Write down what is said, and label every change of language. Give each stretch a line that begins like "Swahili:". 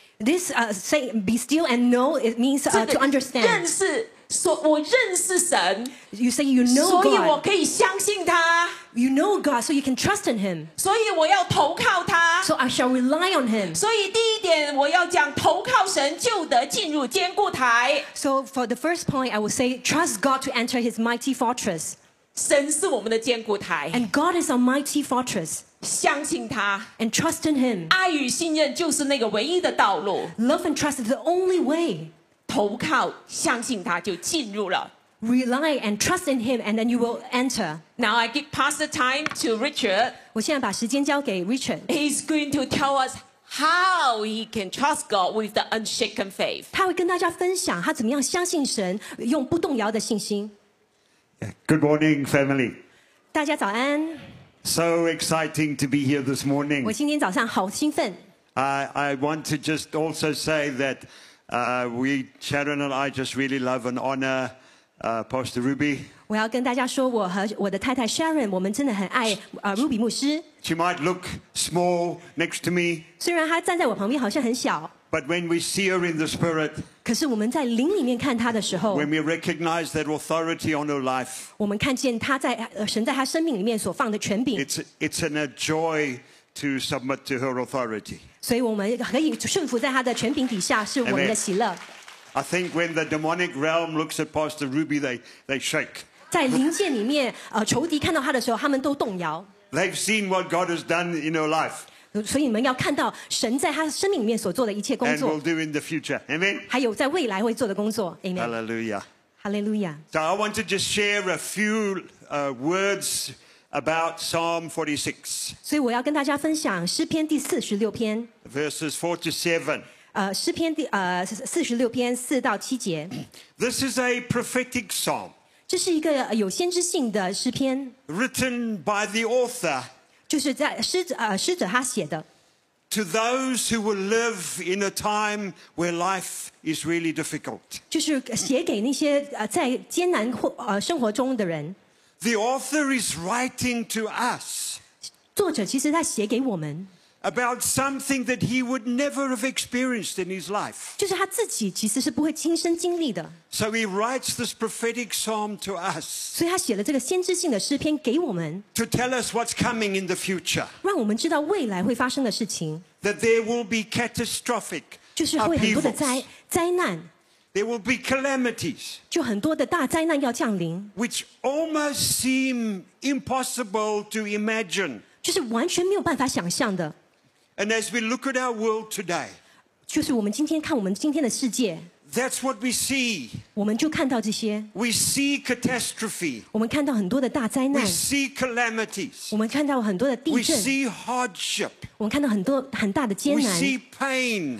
English: This say be still and know it means to understand.
Chinese: 认识。So, 我认识神,
English: you say you know God.
Chinese: 所以我可以相信他,
English: you know God, so you can trust in Him.
Chinese: 所以我要投靠他,
English: so I shall rely on Him.
Chinese: 所以第一点我要讲投靠神就得进入坚固台。
English: So for the first point, I will say trust God to enter His mighty fortress.
Chinese: 神是我们的坚固台。
English: And God is our mighty fortress.
Chinese: 相信他
English: and trust in Him.
Chinese: 爱与信任就是那个唯一的道路。
English: Love and trust is the only way.
Chinese: 投靠相信他就进入了
English: Rely and trust in him and then you will enter. Now I give pass the time to Richard.
Chinese: 我现在把时间交给 Richard.
English: He's going to tell us how he can trust God with the unshaken faith.
Chinese: 他会跟大家分享他怎么样相信神用不动摇的信心。
English: Good morning, family.
Chinese: 大家早安。
English: So exciting to be here this morning.
Chinese: 我今天早上好兴奋。
English: I want to just also say thatWe, Sharon and I just really love and honor Pastor Ruby.
Chinese: 我要跟大家说，我和我的太太 Sharon， 我们真的很爱Ruby 牧师。
English: She might look small next to me.
Chinese: 虽然她站在我旁边好像很小。
English: But when we see her in the spirit,
Chinese: 可是我们在灵里面看她的时候
English: ，when we recognize that authority on her life，
Chinese: 我们看见她在神在她生命里面所放的权柄。
English: It's an a joy. To submit to her authority.
Chinese: 所以我们可以顺服在他的权柄底下，是我们的喜乐。
English: I think when the demonic realm looks at Pastor Ruby, they shake.
Chinese: 在灵界里面，仇敌看到他的时候，他们都动摇。
English: They've seen what God has done in her life.
Chinese: 所以你们要看到神在他生命里面所做的一切工作。
English: And will do in the future. Amen.
Chinese: 还有在未来会做的工作。
English: Amen. Hallelujah. Hallelujah. So I want to just share a few words. About Psalm 46.
Chinese: 所以我要跟大家分享诗篇第四十六篇
English: verses 4-7.
Chinese: 诗篇第四十六篇四到七节
English: This is a prophetic psalm.
Chinese: 这是一个有先知性的诗篇
English: Written by the author.
Chinese: 就是在诗者他写的
English: To those who will live in a time where life is really difficult.
Chinese: 就是写给那些在艰难生活中的人。
English: The author is writing to us
Chinese: 作者其实他写给我们
English: about something that he would never have experienced in his life.
Chinese: 就是他自己其实是不会亲身经历的。
English: So he writes this prophetic psalm to us.
Chinese: 所以他写了这个先知性的诗篇给我们
English: to tell us what's coming in the future.
Chinese: 让我们知道未来会发生的事情
English: that there will be catastrophic upheavals.
Chinese: 就是会很多的灾难。
English: There will be calamities,
Chinese: 就很多的大灾难要降临
English: which almost seem impossible to imagine,
Chinese: 就是完全没有办法想象的
English: And as we look at our world today,
Chinese: 就是我们今天看我们今天的世界
English: That's what we see,
Chinese: 我们就看到这些
English: We see catastrophe,
Chinese: 我们看到很多的大灾难
English: We see calamities,
Chinese: 我们看到很多的地震
English: We see hardship,
Chinese: 我们看到很多很大的艰难
English: We see pain,